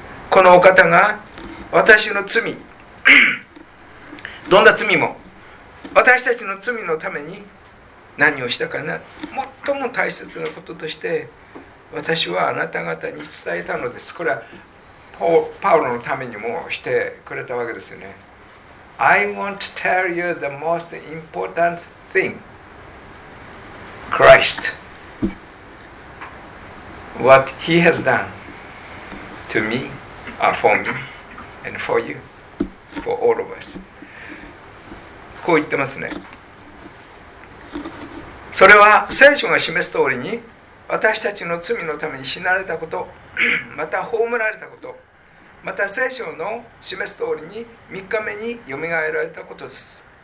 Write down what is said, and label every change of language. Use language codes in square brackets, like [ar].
[ja] このお方が私の罪、どんな罪も私たちの罪のために何をしたかな、最も大切なこととして私はあなた方に伝えたのです。これはパウロのためにもしてくれたわけですよね。 [en] I want to tell you the most important thing. Christ. What he has done to me, for me, and for you, for all of us. [ja] こう言ってますね。それは聖書が示す通りに私たちの罪のために死なれたこと、また葬られたこと、また聖書の示す通りに3日目によみがえられたことです。